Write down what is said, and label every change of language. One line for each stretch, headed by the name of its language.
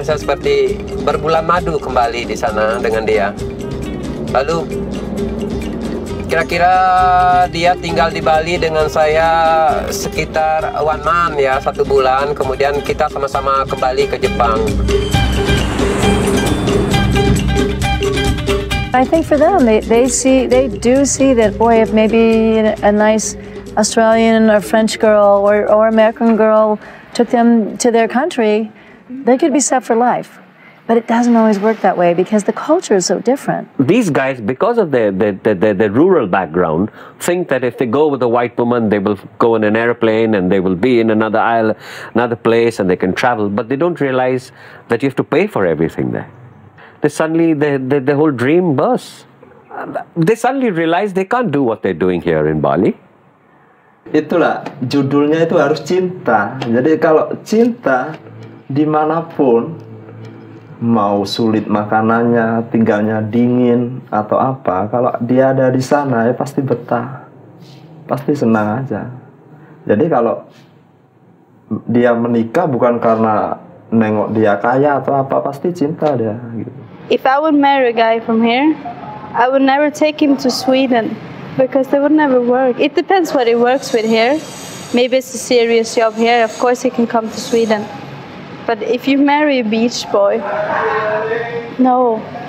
Indonesian: Saya seperti berbulan madu kembali di sana dengan dia. Lalu kira-kira dia tinggal di Bali dengan saya sekitar
English: 1 month,
Indonesian: ya, 1 bulan. Kemudian kita sama-sama kembali ke Jepang.
English: I think for them, they do see that, boy, if maybe a nice Australian or French girl or American girl took them to their country, they could be set for life. But it doesn't always work that way because the culture is so different. These guys, because of their rural background, think that if they go with a white woman, they will go in an airplane and they will be in another aisle, another place, and they can travel. But they don't realize that you have to pay for everything there. They suddenly, the whole dream bursts. They suddenly realize they can't do what they're doing here in Bali.
Indonesian: Itulah, judulnya itu harus cinta. Jadi kalau cinta, dimanapun, mau sulit makanannya, tinggalnya dingin, atau apa, kalau dia ada di sana, ya pasti betah. Pasti senang aja. Jadi kalau dia menikah bukan karena nengok dia kaya atau apa, pasti cinta dia, gitu.
English: If I would marry a guy from here, I would never take him to Sweden because that would never work. It depends what he works with here. Maybe it's a serious job here, of course he can come to Sweden. But if you marry a beach boy, no.